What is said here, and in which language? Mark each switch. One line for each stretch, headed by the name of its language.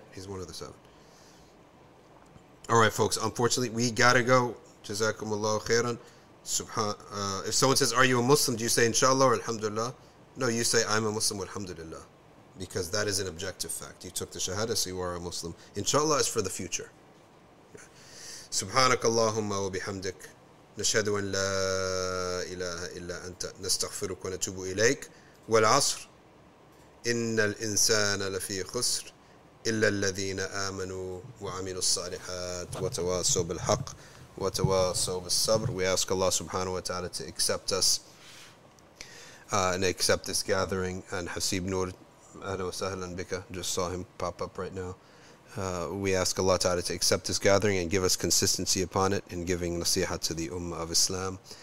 English: He's one of the seven. All right, folks. Unfortunately, we got to go. Jazakumullahu khairan. If someone says, are you a Muslim? Do you say, inshallah, or alhamdulillah? No, you say, I'm a Muslim, alhamdulillah. Because that is an objective fact. You took the shahada, so you are a Muslim. Inshallah is for the future.
Arabic: Subhanakallahumma wa bihamdik. نشهد أن لا إله إلا أنت نستغفرك ونتوب إليك والعصر إن الإنسان لفي خسر إلا الذين آمنوا وعملوا الصالحات وتواصوا بالحق وتواصوا بالصبر.
English: We ask Allah subhanahu wa ta'ala to accept us and accept this gathering. And Hasib Noor,
Arabic: أهلا وسهلا بك,
English: just saw him pop up right now. We ask Allah Ta'ala to accept this gathering and give us consistency upon it in giving nasiha to the Ummah of Islam.